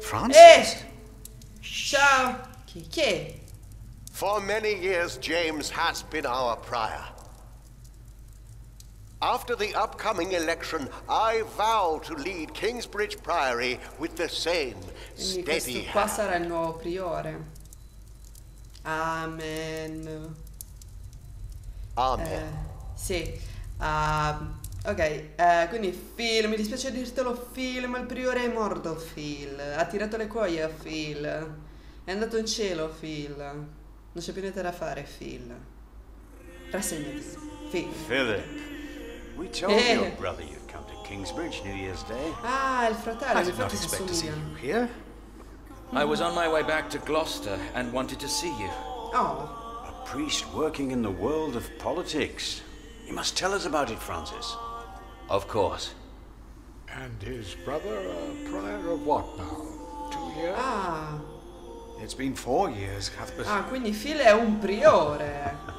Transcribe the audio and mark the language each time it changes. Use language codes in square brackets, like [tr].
[it] Francis! Ciao! Che? [en] For many years James has been our prior. After the upcoming election, I vow to lead Kingsbridge Priory with the same steady hand. [it] Qua sarà il nuovo priore. Amen. Amen. Sì. Ok, quindi Phil, mi dispiace dirtelo Phil, ma il priore è morto Phil. Ha tirato le cuoia Phil. È andato in cielo Phil. Non c'è più niente da fare Phil. Rassegnati Phil. [en] Philip. We told your brother you'd come to Kingsbridge New Year's Day. [it] Ah, il fratello. [en] I did not expect to see you here. I was on my way back to Gloucester and wanted to see you. Oh. A priest working in the world of politics. You must tell us about it, Francis. Of course. And his brother a prior of what now? 2 years? Ah. It's been 4 years, Cuthbert. [it] Ah, quindi Phil è un priore.